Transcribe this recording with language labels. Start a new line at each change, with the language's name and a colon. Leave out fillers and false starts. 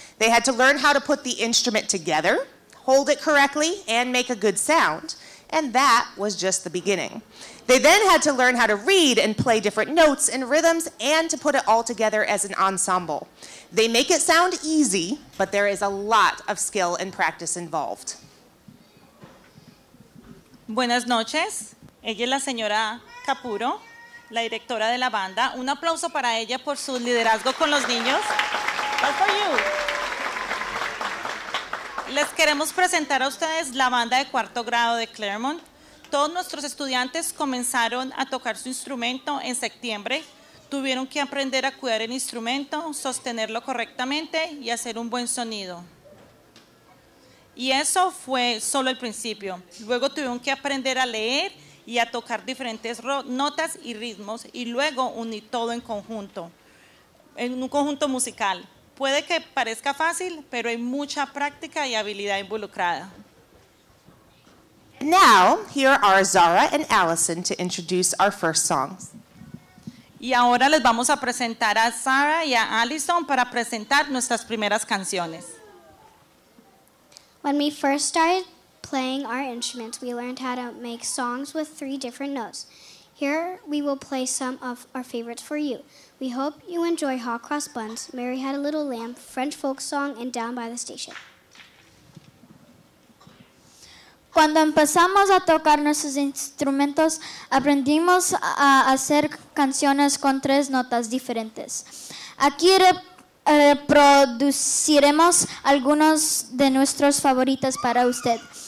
English: They had to learn how to put the instrument together, hold it correctly, and make a good sound. And that was just the beginning. They then had to learn how to read and play different notes and rhythms and to put it all together as an ensemble. They make it sound easy, but there is a lot of skill and practice involved.
Spanish: Buenas noches. Ella es la señora Caputo, la directora de la banda. Un aplauso para ella por su liderazgo con los niños.
English: That's for you.
Spanish: Les queremos presentar a ustedes la banda de cuarto grado de Claremont. Todos nuestros estudiantes comenzaron a tocar su instrumento en septiembre. Tuvieron que aprender a cuidar el instrumento, sostenerlo correctamente y hacer un buen sonido. Y eso fue solo el principio. Luego tuvieron que aprender a leer y a tocar diferentes notas y ritmos y luego unir todo en conjunto, en un conjunto musical. Puede que parezca fácil, pero hay mucha práctica y habilidad involucrada.
English: Now, here are Zara and Allison to introduce our first songs.
Spanish: Y ahora les vamos a presentar a Zara y a Allison para presentar nuestras primeras canciones.
English: When we first started playing our instruments, we learned how to make songs with three different notes. Here we will play some of our favorites for you. We hope you enjoy Hot Cross Buns, Mary Had a Little Lamb, French Folk Song, and Down by the Station.
Spanish: Cuando empezamos a tocar nuestros instrumentos, aprendimos a hacer canciones con tres notas diferentes. Aquí reproduciremos algunos de nuestros favoritos para usted.